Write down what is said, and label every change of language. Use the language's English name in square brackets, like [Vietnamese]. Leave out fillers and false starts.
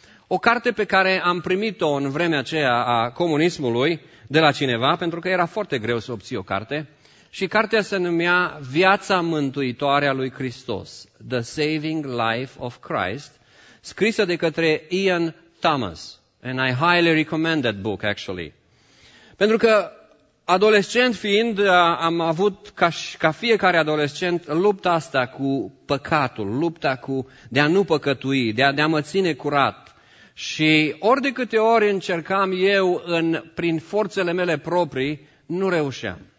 [Romanian] O carte pe care am primit-o în vremea aceea a comunismului de la cineva, pentru că era foarte greu să obții o carte. Și cartea se numea Viața Mântuitoare a lui Hristos, The Saving Life of Christ, scrisă de către Ian Thomas. [English] And I highly recommend that book, actually. [Romanian] Pentru că, adolescent fiind, am avut, ca fiecare adolescent, lupta asta cu păcatul, lupta cu de a nu păcătui, de a mă ține curat. Și ori de câte ori încercam eu, prin forțele mele proprii, nu reușeam.